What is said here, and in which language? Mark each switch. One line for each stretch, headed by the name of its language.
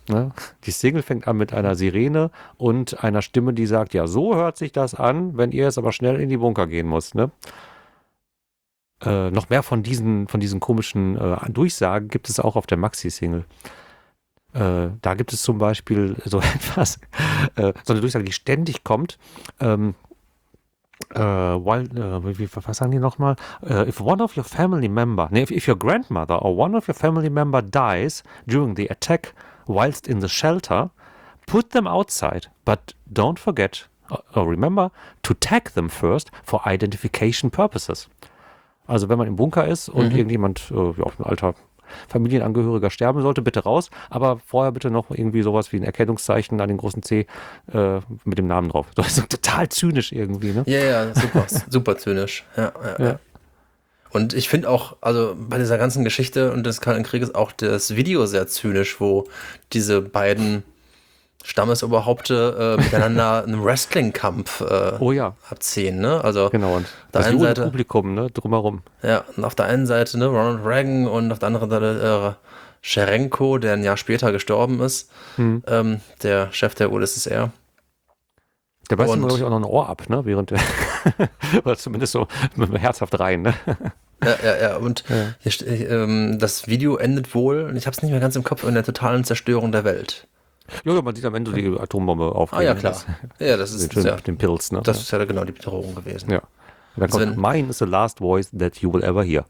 German: Ja, die Single fängt an mit einer Sirene und einer Stimme, die sagt, ja, so hört sich das an, wenn ihr jetzt aber schnell in die Bunker gehen müsst. Ne? Noch mehr von diesen komischen Durchsagen gibt es auch auf der Maxi-Single. Da gibt es zum Beispiel so etwas, so eine Durchsage, die ständig kommt. Was sagen die nochmal?
English: If your grandmother or one of your family member dies during the attack whilst in the shelter, put them outside, but don't forget or remember to tag them first for identification purposes.
German: Also wenn man im Bunker ist und irgendjemand, ein alter Familienangehöriger sterben sollte, bitte raus, aber vorher bitte noch irgendwie sowas wie ein Erkennungszeichen an den großen C mit dem Namen drauf. Das ist total zynisch irgendwie, ne? Ja, super, super zynisch. Ja. Und ich finde auch, also bei dieser ganzen Geschichte und des Kalten Krieges auch das Video sehr zynisch, wo diese beiden Stammesoberhaupte miteinander einen Wrestling-Kampf abziehen, ne? Also genau, und auf der einen Seite Publikum, ne, drumherum. Ja, und auf der einen Seite, ne, Ronald Reagan und auf der anderen Seite Scherenko, der ein Jahr später gestorben ist, der Chef der UdSSR. Der beißt ihm, glaube ich, auch noch ein Ohr ab, ne? Während der oder zumindest so herzhaft rein, ne? Ja. Und ja. Das Video endet wohl, und ich habe es nicht mehr ganz im Kopf, in der totalen Zerstörung der Welt. Ja, man sieht am Ende die Atombombe aufgehen. Ah ja, klar. Ja, das ist den, ja, den Pilz, ne? Das ist ja genau die Bedrohung gewesen. Ja. Dann kommt,
English: mine is the last voice that you will ever hear.